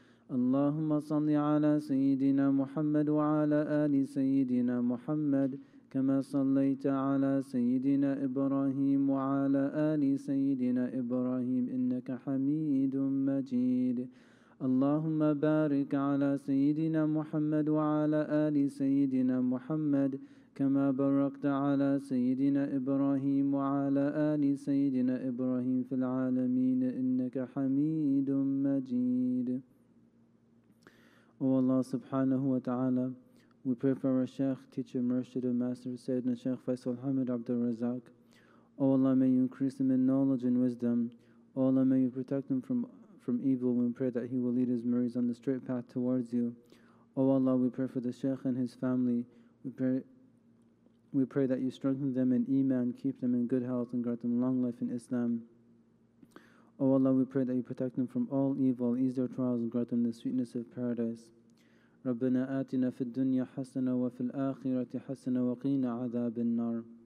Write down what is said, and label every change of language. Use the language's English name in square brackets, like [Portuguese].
[Arabic] اللهم صل على سيدنا محمد وعلى آل سيدنا محمد كما صليت على سيدنا إبراهيم وعلى آل سيدنا إبراهيم إنك حميد مجيد اللهم بارك على سيدنا محمد وعلى آل سيدنا محمد كما باركت على سيدنا إبراهيم وعلى آل سيدنا إبراهيم في العالمين إنك حميد مجيد الله سبحانه وتعالى [English] We pray for our Sheikh, teacher, Murshid, and master, Sayyidina Sheikh Faisal Hamid Abdul Razak. O Allah, may you increase him in knowledge and wisdom. O Allah, may you protect him from evil. We pray that he will lead his murids on the straight path towards you. O Allah, we pray for the Sheikh and his family. We pray that you strengthen them in Iman, keep them in good health, and grant them long life in Islam. O Allah, we pray that you protect them from all evil, ease their trials, and grant them the sweetness of paradise. [Arabic] ربنا آتنا في الدنيا حسنة وفي الآخرة حسنة وقينا عذاب النار.